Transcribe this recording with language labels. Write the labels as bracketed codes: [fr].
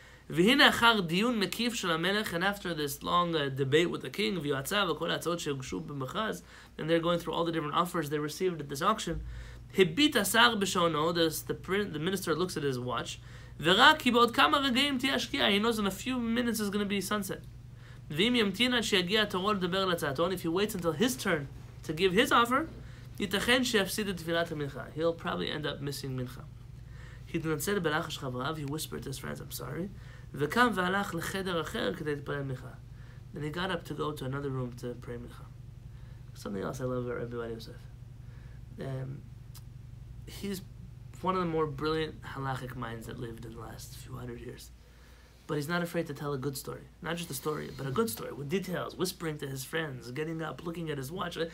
[he] והנה אחר דיון מקיף של המלך, [en] and after this long debate with the king, [he] ויועצה וכל ההצעות שהוגשו במכרז, [en] and they're going through all the different offers they received at this auction, [he] הביט השר בשעונו, [en] the minister looks at his watch, [he] וראה כי בעוד כמה רגעים תהיה השקיע, [en] he knows in a few minutes it's going to be sunset. [he] ואם ימתין עד שיגיע תורו לדבר להצעתו, [en] if he waits until his turn to give his offer, [he] ייתכן שיפסיד את תפילת המנחה. [en] He'll probably end up missing מנחה. [he] התנצל בלחש חבריו, [en] he whispered to his friends, I'm sorry, [he] וקם והלך לחדר אחר כדי להתפלל מנחה. [en] Then he got up to go to another room to pray מנחה. Something else I love about Rabbi Yosef. He's one of the more brilliant halachic minds that lived in the last few hundred years. But he's not afraid to tell a good story. Not just a story, but a good story with details, whispering to his friends, getting up, looking at his watch.